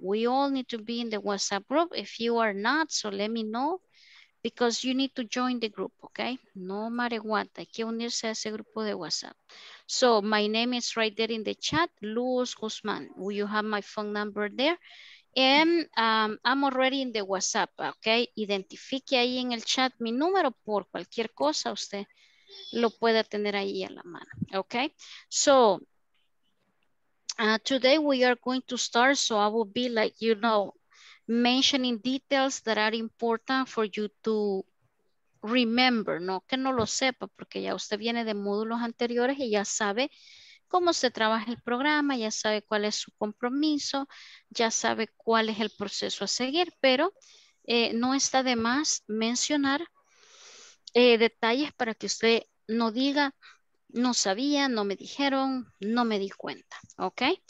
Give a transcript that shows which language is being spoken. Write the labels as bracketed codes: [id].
[en] We all need to be in the WhatsApp group. If you are not, so let me know. Because you need to join the group, okay? [es] No mareguata, hay que unirse a ese grupo de WhatsApp. [en] So, my name is right there in the chat, Luz Guzmán. You have my phone number there. I'm already in the WhatsApp, okay? [es] Identifique ahí en el chat mi número por cualquier cosa, usted lo pueda tener ahí a la mano, okay? [en] So, today we are going to start, so I will be like, you know, mentioning details that are important for you to remember, ¿no? [es] Que no lo sepa, porque ya usted viene de módulos anteriores y ya sabe cómo se trabaja el programa, ya sabe cuál es su compromiso, ya sabe cuál es el proceso a seguir, pero no está de más mencionar detalles para que usted no diga, no sabía, no me dijeron, no me di cuenta, ¿ok?